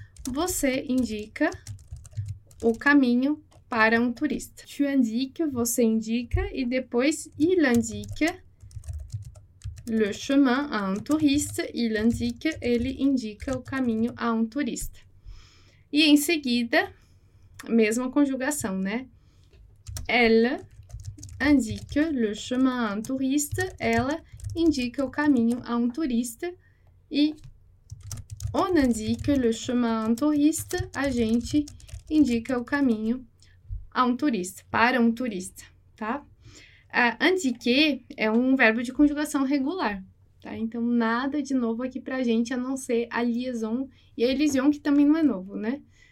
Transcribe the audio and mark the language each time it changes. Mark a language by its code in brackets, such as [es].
[pt] Você indica o caminho para um turista. [fr] Tu indique, [pt] você indica, e depois [fr] il indique le chemin à un touriste. Il indique, [pt] ele indica o caminho a um turista. E em seguida, mesma conjugação, né? [fr] Elle indique le chemin à un touriste. [pt] Ela indica o caminho a um turista. [fr] E on indique le chemin à un touriste. [pt] A gente indica o caminho a um turista, para um turista, tá? Indiquer é um verbo de conjugação regular, tá? Então, nada de novo aqui pra gente, a não ser a liaison e a élision, que também não é novo, né?